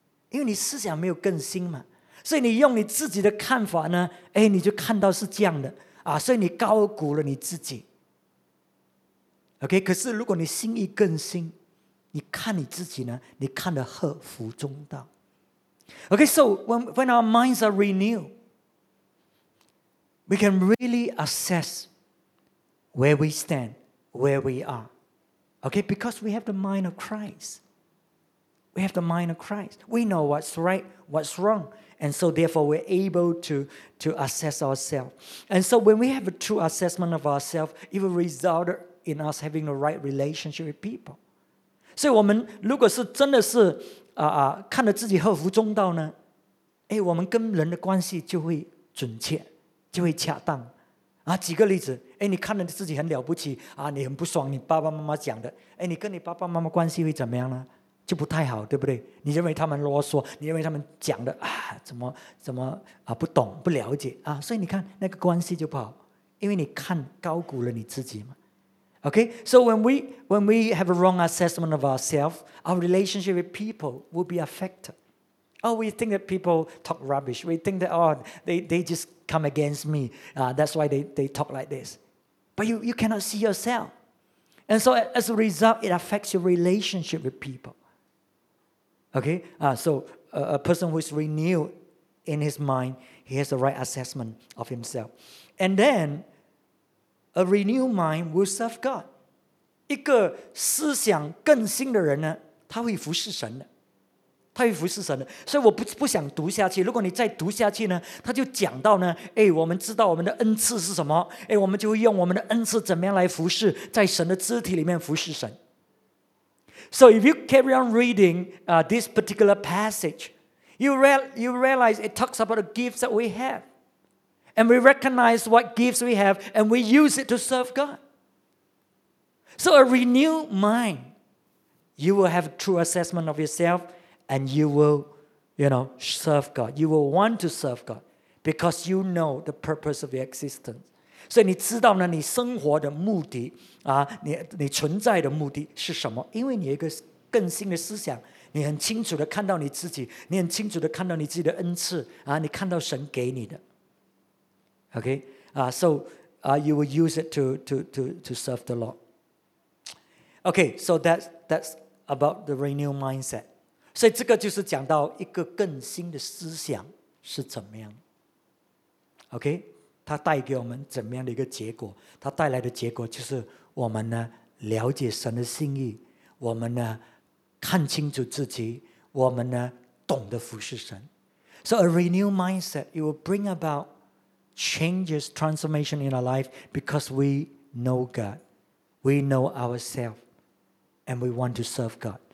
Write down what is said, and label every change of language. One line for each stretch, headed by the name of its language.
Chinese: 因为你思想没有更新嘛，所以你用你自己的看法呢，哎，你就看到是这样的啊，所以你高估了你自己。 OK， 可是如果你心意更新，你看你自己呢，你看得合乎中道。
English: Okay, so when our minds are renewed, we can really assess where we stand, where we are. Okay, because we have the mind of Christ. We have the mind of Christ. We know what's right, what's wrong. And so therefore we're able to assess ourselves. And so when we have a true assessment of ourselves, it will result in us having the right relationship with people.
Chinese: 所以我们如果是真的是看着自己合乎中道呢，哎，我们跟人的关系就会准确，就会恰当啊。举个例子，哎，你看着自己很了不起啊，你很不爽你爸爸妈妈讲的，哎，你跟你爸爸妈妈关系会怎么样呢？就不太好，对不对？你认为他们啰嗦，你认为他们讲的啊，怎么不懂不了解啊，所以你看那个关系就不好，因为你看高估了你自己嘛。
English: Okay, so when we have a wrong assessment of ourselves, our relationship with people will be affected. Oh, we think that people talk rubbish. We think that, oh, they just come against me. That's why they talk like this. But you cannot see yourself. And so as a result, it affects your relationship with people. Okay, so a person who is renewed in his mind, he has the right assessment of himself. And then, a renewed mind will serve God.
Chinese: 一个思想更新的人呢，他会服侍神的，他会服侍神的。所以我不想读下去。如果你再读下去呢，他就讲到呢，哎，我们知道我们的恩赐是什么，哎，我们就会用我们的恩赐怎么样来服侍，在神的肢体里面服侍神。
English: So if you carry on reading this particular passage, you realize it talks about the gifts that we have. And we recognize what gifts we have, and we use it to serve God. So a renewed mind, you will have a true assessment of yourself, and you will, you know, serve God. You will want to serve God, because you know the purpose of your existence.
Chinese: 所以你知道呢，你生活的目的啊，你存在的目的是什么？因为你有一个更新的思想，你很清楚的看到你自己，你很清楚的看到你自己的恩赐啊，你看到神给你的。
English: Okay, so you will use it to serve the Lord. Okay, so that's about the renewed mindset.
Chinese: 所以这个就是讲到一个更新的思想是怎么样。 Okay, 它带给我们怎么样的一个结果？它带来的结果就是我们呢了解神的心意，我们呢看清楚自己，我们呢懂得服侍神。
English: So a renewed mindset, it will bring about. Changes transformation in our life because we know God, we know ourselves, and we want to serve God.